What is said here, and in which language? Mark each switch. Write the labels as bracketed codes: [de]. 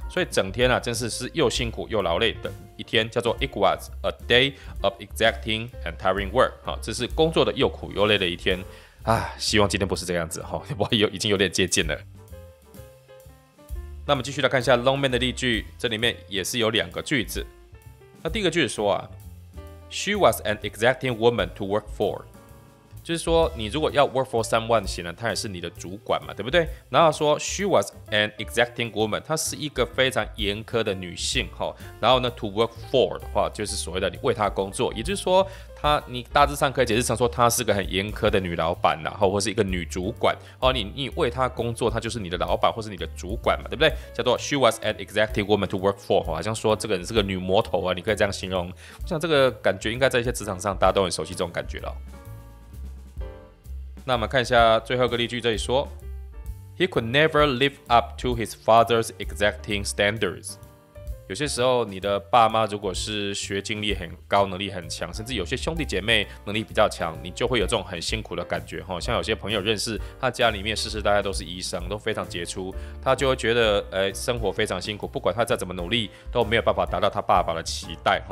[zh] 所以整天啊，真的是又辛苦又劳累的一天，叫做 [en] It was a day of exacting and tiring work， [zh] 这是工作的又苦又累的一天啊，希望今天不是这样子，我已经有点接近了。那么继续来看一下 Longman 的例句，这里面也是有两个句子。那第一个句子说啊 [en] She was an exacting woman to work for， [zh] 就是说你如果要 [en] work for someone [zh] 显然他也是你的主管嘛，对不对？然后说 [en] she was an exacting woman， [zh] 她是一个非常严苛的女性，然后呢 [en] to work for [zh] 的话就是所谓的你为她工作，也就是说他，你大致上可以解释成说她是个很严苛的女老板，然后或是一个女主管，你为她工作，她就是你的老板或是你的主管嘛，对不对？叫做 [en] she was an executive woman to work for， [zh] 好像说这个人是个女魔头啊，你可以这样形容。我想这个感觉应该在一些职场上大家都很熟悉这种感觉了。那我们看一下最后一个例句，这里说 [en] he could never live up to his father's exacting standards。 [zh] 有些时候你的爸妈如果是学经历很高，能力很强，甚至有些兄弟姐妹能力比较强，你就会有这种很辛苦的感觉。像有些朋友认识，他家里面世世代代都是医生，都非常杰出，他就会觉得生活非常辛苦，不管他再怎么努力都没有办法达到他爸爸的期待。